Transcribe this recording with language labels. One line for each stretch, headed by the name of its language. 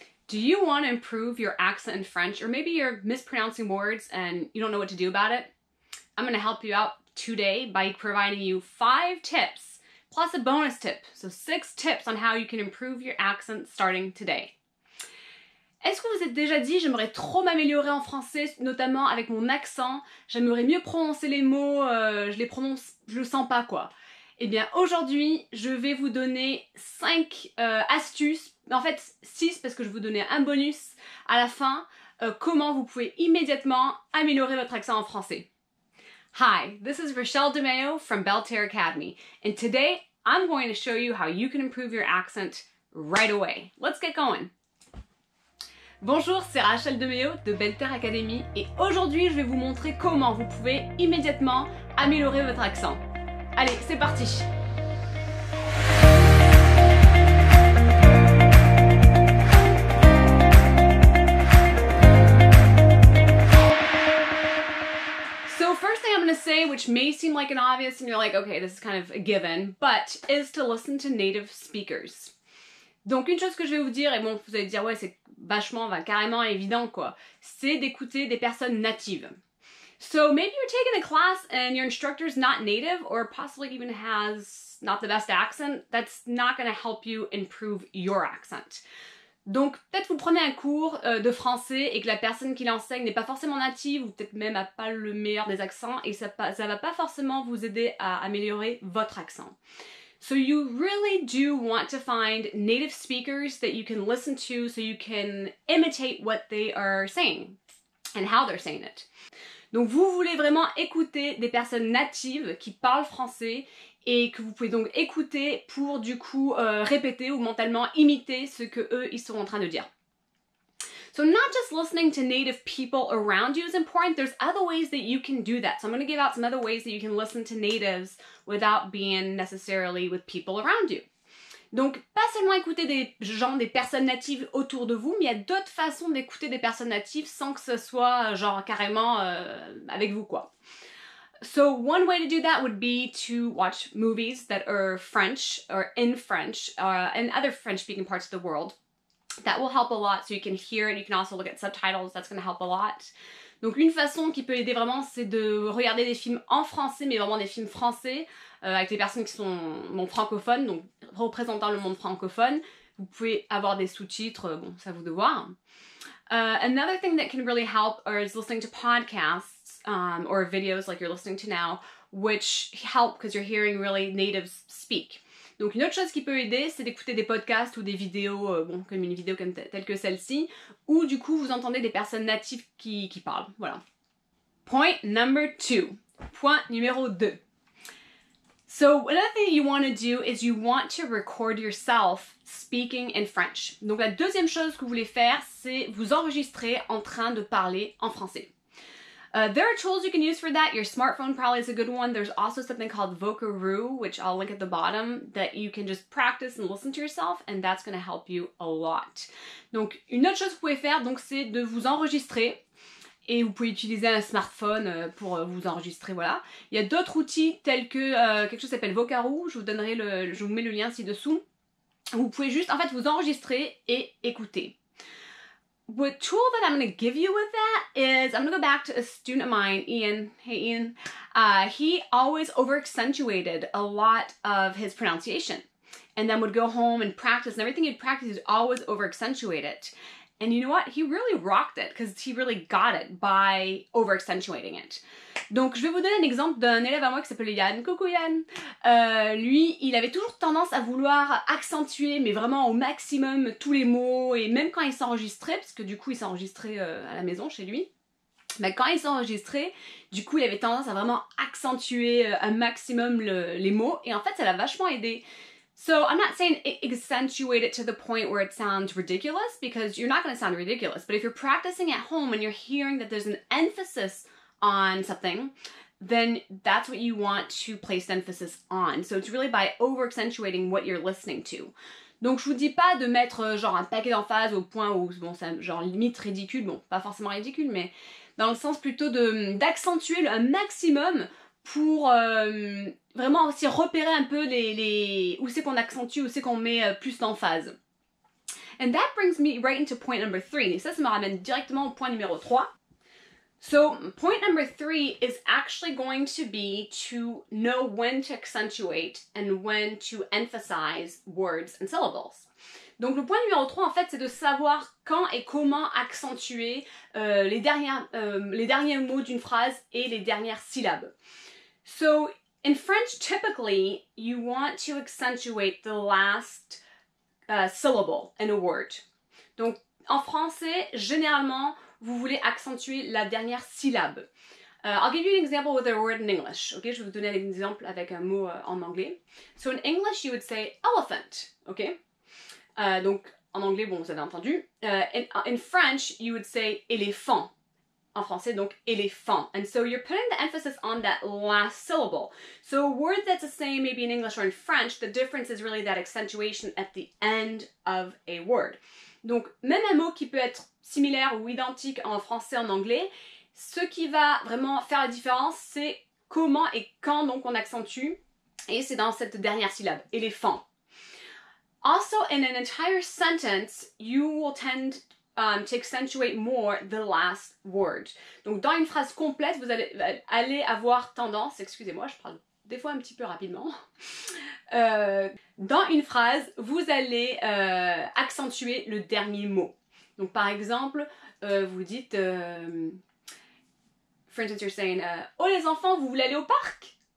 English: Do you want to improve your accent in French, or maybe you're mispronouncing words and you don't know what to do about it? I'm going to help you out today by providing you 5 tips plus a bonus tip. So 6 tips on how you can improve your accent starting today.
French: Est-ce que vous êtes déjà dit j'aimerais trop m'améliorer en français, notamment avec mon accent, j'aimerais mieux prononcer les mots, je le sens pas quoi. Eh bien aujourd'hui, je vais vous donner 5 astuces, en fait 6 parce que je vais vous donner un bonus à la fin, comment vous pouvez immédiatement améliorer votre accent en français.
English: Hi, this is Rachele DeMeo from Belle Terre Academy, and today I'm going to show you how you can improve your accent right away. Let's get going!
French: Bonjour, c'est Rachele DeMeo de Belle Terre Academy, et aujourd'hui je vais vous montrer comment vous pouvez immédiatement améliorer votre accent. Allez, c'est parti!
English: So first thing I'm going to say, which may seem like an obvious and you're like, okay, this is kind of a given, but is to listen to native speakers.
French: Donc une chose que je vais vous dire, et bon, vous allez dire, ouais, c'est vachement, enfin, carrément évident, quoi, c'est d'écouter des personnes natives.
English: So maybe you're taking a class and your instructor's not native or possibly even has not the best accent, that's not going to help you improve your accent.
French: Donc peut-être vous prenez un cours de français et que la personne qui l'enseigne n'est pas forcément native ou peut-être même n'a pas le meilleur des accents et ça va pas forcément vous aider à améliorer votre accent.
English: So you really do want to find native speakers that you can listen to so you can imitate what they are saying and how they're saying it.
French: Donc vous voulez vraiment écouter des personnes natives qui parlent français et que vous pouvez donc écouter pour du coup répéter ou mentalement imiter ce que eux ils sont en train de dire.
English: So not just listening to native people around you is important, there's other ways that you can do that. So I'm going to give out some other ways that you can listen to natives without being necessarily with people around you.
French: Donc pas seulement écouter des gens, des personnes natives autour de vous, mais il y a d'autres façons d'écouter des personnes natives sans que ce soit genre carrément avec vous quoi.
English: So one way to do that would be to watch movies that are French or in French and other French speaking parts of the world. That will help a lot, so you can hear and you can also look at subtitles, that's going to help a lot.
French: Donc une façon qui peut aider vraiment, c'est de regarder des films en français, mais vraiment des films français, avec des personnes qui sont bon, francophones, donc représentant le monde francophone. Vous pouvez avoir des sous-titres, bon, ça vous de voir.
English: Another thing that can really help is listening to podcasts, or videos like you're listening to now, which help because you're hearing really natives speak.
French: Donc une autre chose qui peut aider, c'est d'écouter des podcasts ou des vidéos, bon, comme une vidéo comme telle que celle-ci, où du coup vous entendez des personnes natives qui parlent, voilà.
English: Point number two.
French: Point numéro deux.
English: So another thing you want to do is you want to record yourself speaking in French.
French: Donc la deuxième chose que vous voulez faire, c'est vous enregistrer en train de parler en français.
English: There are tools you can use for that. Your smartphone probably is a good one. There's also something called Vocaroo, which I'll link at the bottom, that you can just practice and listen to yourself, and that's going to help you a lot.
French: Donc, une autre chose que vous pouvez faire, donc, c'est de vous enregistrer, et vous pouvez utiliser un smartphone pour vous enregistrer, voilà. Il y a d'autres outils tels que quelque chose qui s'appelle Vocaroo. Je vous mets le lien ci-dessous. Vous pouvez juste, en fait, vous enregistrer et écouter.
English: What tool that I'm going to give you with that is, I'm going to go back to a student of mine, Ian. Hey, Ian. He always over-accentuated a lot of his pronunciation. And then would go home and practice. And everything he'd practice, he'd always over-accentuate it. And you know what? He really rocked it because he really got it by over-accentuating it.
French: Donc, je vais vous donner un exemple d'un élève à moi qui s'appelle Yann. Coucou Yann! Lui, il avait toujours tendance à vouloir accentuer, mais vraiment au maximum, tous les mots. Et même quand il s'enregistrait, parce que du coup, il s'enregistrait à la maison, chez lui. Mais quand il s'enregistrait, du coup, il avait tendance à vraiment accentuer un maximum les mots. Et en fait, ça l'a vachement aidé.
English: So, I'm not saying accentuate it to the point where it sounds ridiculous, because you're not going to sound ridiculous. But if you're practicing at home and you're hearing that there's an emphasis on something, then that's what you want to place emphasis on. So it's really by over-accentuating what you're listening to.
French: Donc je vous dis pas de mettre genre un paquet d'emphase au point où, bon, c'est genre limite ridicule, bon, pas forcément ridicule, mais dans le sens plutôt d'accentuer un maximum pour vraiment aussi repérer un peu où c'est qu'on accentue, où c'est qu'on met plus d'emphase.
English: And that brings me right into point number three.
French: Ça, ça me ramène directement au point numéro trois.
English: So, point number three is actually going to be to know when to accentuate and when to emphasize words and syllables.
French: Donc, le point numéro 3, en fait, c'est de savoir quand et comment accentuer les derniers mots d'une phrase et les dernières syllabes.
English: So, in French, typically, you want to accentuate the last syllable in a word.
French: Donc, en français, généralement, vous voulez accentuer la dernière syllabe.
English: I'll give you an example with a word in English.
French: Okay, je vais vous donner un exemple avec un mot en anglais.
English: So in English, you would say elephant. Okay.
French: Donc en anglais, bon, vous avez entendu.
English: In French, you would say éléphant.
French: En français, donc éléphant.
English: And so you're putting the emphasis on that last syllable. So a word that's the same, maybe in English or in French, the difference is really that accentuation at the end of a word.
French: Donc, même un mot qui peut être similaire ou identique en français, en anglais, ce qui va vraiment faire la différence, c'est comment et quand donc on accentue, et c'est dans cette dernière syllabe, éléphant.
English: Also, in an entire sentence, you will tend to accentuate more the last word.
French: Donc, dans une phrase complète, vous allez avoir tendance, excusez-moi, je parle des fois un petit peu rapidement. Dans une phrase, vous allez accentuer le dernier mot. Donc, par exemple, vous dites,
English: for instance, you're saying,
French: oh les enfants, vous voulez aller au parc?